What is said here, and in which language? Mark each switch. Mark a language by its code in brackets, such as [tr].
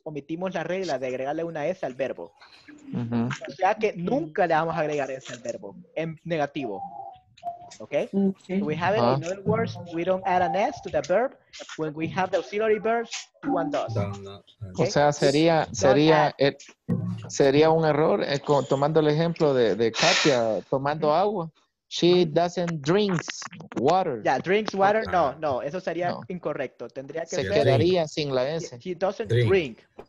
[es] Omitimos la regla de agregarle una S al verbo. O sea que nunca le vamos a agregar S al verbo en negativo. [en] Okay. Okay. So we have it in other words, we don't add an S to the verb when we have the auxiliary verbs, do and does. [es] Okay? O sea, sería un error tomando el ejemplo de Katia tomando agua. [en] She doesn't drink water. Yeah, drinks water. Okay. [es] No, eso sería incorrecto. Tendría que se quedaría sin la S. [en] She doesn't drink.